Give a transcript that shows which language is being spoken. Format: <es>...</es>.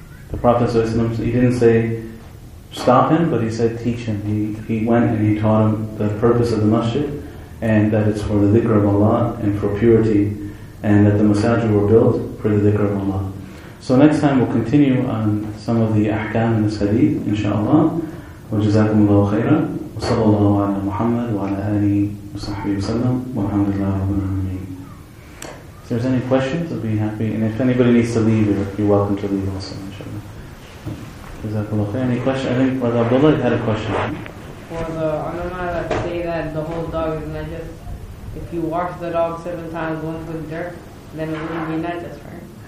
<en>The Prophet ﷺ, he didn't say stop him, but he said teach him. He went and he taught him the purpose of the masjid, and that it's for the dhikr of Allah and for purity, and that the masajid were built for the dhikr of Allah. So next time we'll continue on some of the ahkam in this hadith, inshaAllah.</en> <ar>وجزاكم الله خيرا وصلى الله على محمد وعلى آله وصحبه وسلم والحمد لله رب العالمين.</ar> <en>If there's any questions, I'll be happy. And if anybody needs to leave, you're welcome to leave also, inshallah.</en> <ar>جزاك الله خير.</ar> <en>Any question? I think Brother Abdullah had a question. For the ulama that say that the whole whole dog is najis. If you wash the dog 7 times, once with dirt, then it wouldn't be najis, right?</en>